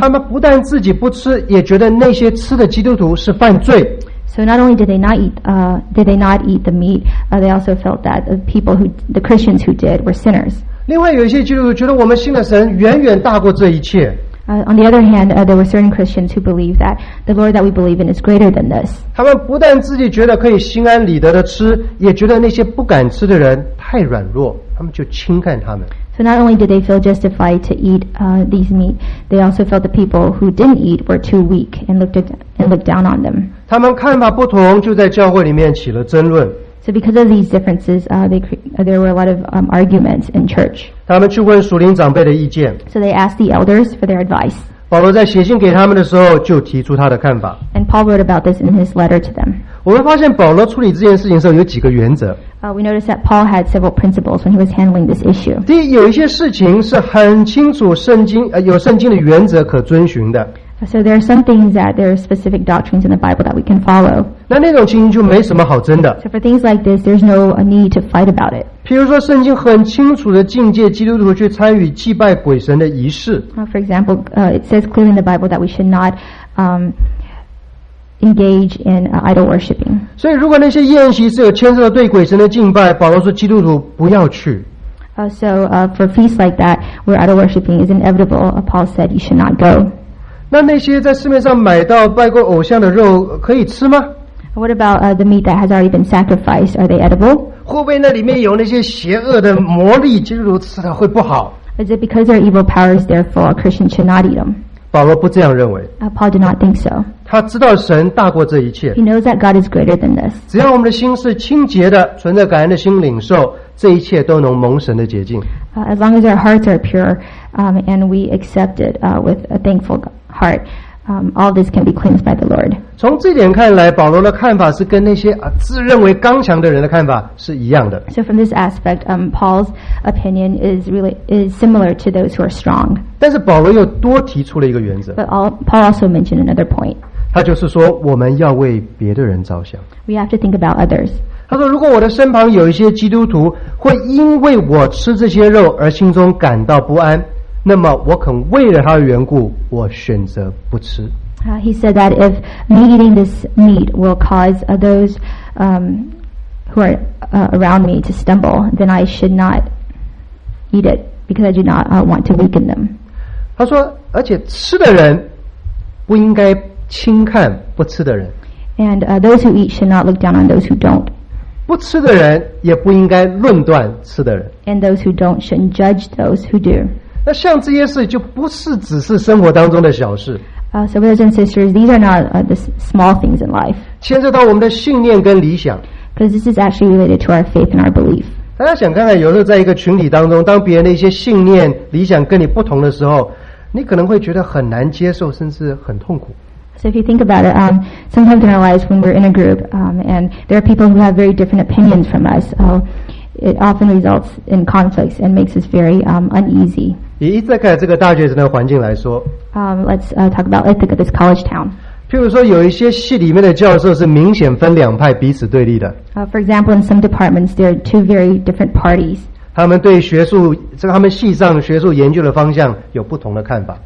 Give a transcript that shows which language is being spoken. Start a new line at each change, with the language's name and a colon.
Chinese: 他们不但自己不吃，也觉得那些吃的基督徒是犯罪。
English: So not only did they not eat the meat, they also felt that the Christians who did were sinners.
Chinese: 另外，有一些基督徒觉得我们信的神远远大过这一切。
English: On the other hand, there were certain Christians who believed that the Lord that we believe in is greater than this.
Chinese: 他们不但自己觉得可以心安理得的吃，也觉得那些不敢吃的人太软弱。他们就轻看他们。
English: So not only did they feel justified to eat these meat, they also felt the people who didn't eat were too weak and looked down on them.
Chinese: 他们看法不同，就在教会里面起了争论。
English: So because of these differences, there were a lot of arguments in church.
Chinese: 他们去问属灵长辈的意见。
English: So they asked the elders for their advice.
Chinese: 保罗在写信给他们的时候，就提出他的看法。
English: And Paul wrote about this in his letter to them.
Chinese: 我们发现保罗处理这件事情的时候有几个原则。
English: We noticed that Paul had several principles when he was handling this issue.
Chinese: 第一，有一些事情是很清楚圣经，有圣经的原则可遵循的。
English: So there are some things that there are specific doctrines in the Bible that we can follow.
Chinese: 那种情形就没什么好争的。
English: So for things like this, there's no need to fight about it.
Chinese: 譬如说，圣经很清楚地禁戒基督徒去参与祭拜鬼神的仪式。
English: For example, it says clearly in the Bible that we should not engage in idol worshiping.
Chinese: 所以，如果那些宴席是有牵涉到对鬼神的敬拜，保罗说基督徒不要去。
English: So for feasts like that, where idol worshiping is inevitable, Paul said you should not go.
Chinese: 那些在市面上买到拜过偶像的肉可以吃吗
English: ？What about the meat that has already been sacrificed? Are they edible?
Chinese: 会不会那里面有那些邪恶的魔力，基督徒吃了会不好
English: ？Is it because there are evil powers? Therefore, Christians should not eat them.
Chinese: 保罗不这样认为。
English: Paul did not think so.
Chinese: 他知道神大过这一切。
English: He knows that God is greater than this.
Chinese: 只要我们的心是清洁的，存着感恩的心领受，这一切都能蒙神的洁净。
English: As long as our hearts are pure, and we accept it with a thankful God. Heart, all this can be cleansed by the Lord.
Chinese: 从这点看来，保罗的看法是跟那些自认为刚强的人的看法是一样的。
English: So from this aspect, Paul's opinion is similar to those who are strong.
Chinese: 但是保罗又多提出了一个原则。
English: But Paul also mentioned another point.
Chinese: 他就是说，我们要为别的人着想。
English: We have to think about others.
Chinese: 他说，如果我的身旁有一些基督徒会因为我吃这些肉而心中感到不安。那么我肯为了他的缘故，我选择不吃。
English: He said that if me eating this meat will cause those who are around me to stumble, then I should not eat it because I do not want to weaken them.
Chinese: 他说，而且吃的人不应该轻看不吃的人。
English: And those who eat should not look down on those who don't.
Chinese: 不吃的人也不应该论断吃的人。
English: And those who don't shouldn't judge those who do.
Chinese: 那像这些事就不是只是生活当中的小事。
English: So brothers and sisters, these are not the small things in life.
Chinese: 牵涉到我们的信念跟理想。
English: Because this is actually related to our faith and our belief.
Chinese: 大家想看看，有时候在一个群体当中，当别人的一些信念、理想跟你不同的时候，你可能会觉得很难接受，甚至很痛苦。
English: So if you think about it, sometimes in our lives when we're in a group, and there are people who have very different opinions from us, it often results in conflicts and makes us very uneasy.
Chinese: 以伊泽克这个大学生的环境来说
English: Let's talk about Ithaca, this college town.
Chinese: 譬如说有一些系里面的教授是明显分两派彼此对立的
English: For example, in some departments, there are two very different parties.
Chinese: 他们对学术，这他们系上学术研究的方向有不同的看法。